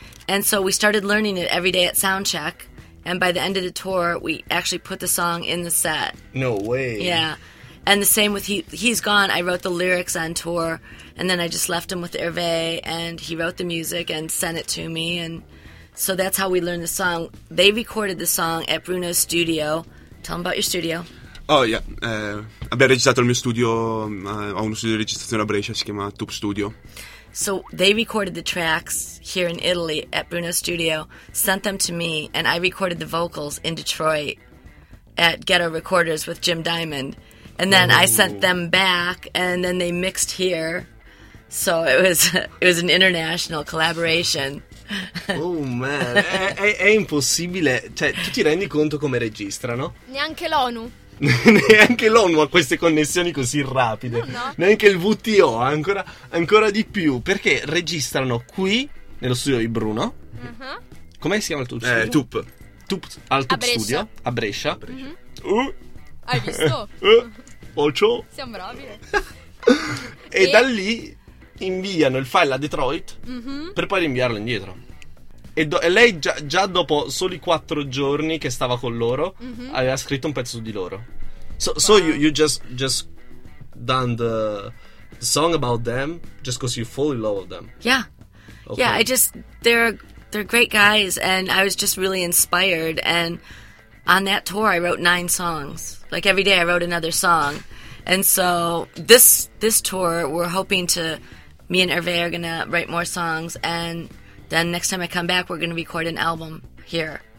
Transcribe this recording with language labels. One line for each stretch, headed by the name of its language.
English: And so we started learning it every day at soundcheck, and by the end of the tour, we actually put the song in the set. No way. Yeah. And the same with He's Gone, I wrote the lyrics on tour, and then I just left him with Hervé, and he wrote the music and sent it to me, and so that's how we learned the song. They recorded the song at Bruno's studio. Tell him about your studio. Oh, yeah.
Italian: Abbiamo registrato il mio studio, ho uno studio di registrazione a Brescia, si chiama Tube Studio.
English: So they recorded the tracks here in Italy at Bruno's studio, sent them to me, and I recorded the vocals in Detroit at Ghetto Recorders with Jim Diamond. And then I sent them back, and then they mixed here. So it was an international collaboration.
Italian: Oh man, è impossibile. Cioè, tu ti rendi conto come registrano? Neanche l'ONU. Neanche l'ONU ha queste connessioni così rapide. No. Neanche il WTO, ancora di più. Perché registrano qui, nello studio di Bruno. Come si chiama il tuo studio? Tup. Tup, al Tup Studio. A Brescia. Hai visto? Ocio. Siamo bravi. E da lì inviano il file a Detroit per poi rinviarlo indietro. E lei già dopo soli 4 giorni che stava con loro aveva scritto un pezzo di loro.
English: So you just done the song about them just because you fall in love with them. Yeah. Okay. Yeah, I just they're great guys and I was just really inspired and on that tour I wrote 9 songs. Like every day I wrote another song. And so this tour we're hoping to me and Hervé are gonna write more songs and then next time I come back we're gonna record an album here.